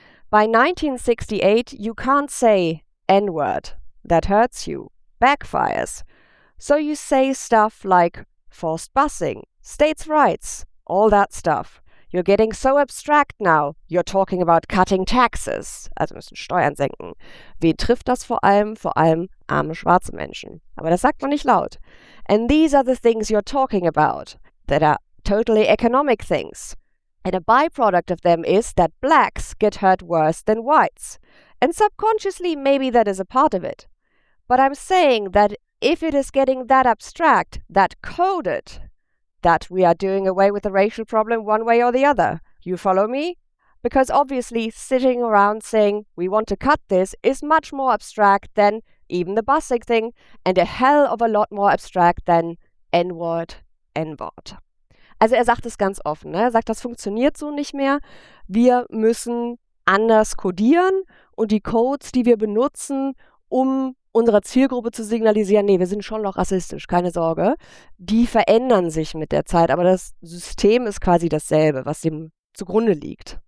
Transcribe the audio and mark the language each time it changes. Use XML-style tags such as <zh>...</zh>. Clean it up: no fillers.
<en>By 1968 you can't say N-word, that hurts you, backfires. So you say stuff like forced busing, states' rights, all that stuff. You're getting so abstract now. You're talking about cutting taxes.</en> <de>Also müssen Steuern senken. Wen trifft das vor allem? Vor allem arme schwarze Menschen. Aber das sagt man nicht laut.</de> <en>And these are the things you're talking about that are totally economic things. And a byproduct of them is that blacks get hurt worse than whites. And subconsciously, maybe that is a part of it. But I'm saying that if it is getting that abstract, that coded, that we are doing away with the racial problem one way or the other. You follow me? Because obviously sitting around saying we want to cut this is much more abstract than even the busing thing and a hell of a lot more abstract than N-word, N-word.</en> <de>Also er sagt es ganz offen. Ne? Er sagt, das funktioniert so nicht mehr. Wir müssen anders kodieren und die Codes, die wir benutzen, um unserer Zielgruppe zu signalisieren, nee, wir sind schon noch rassistisch, keine Sorge. Die verändern sich mit der Zeit, aber das System ist quasi dasselbe, was dem zugrunde liegt.</de>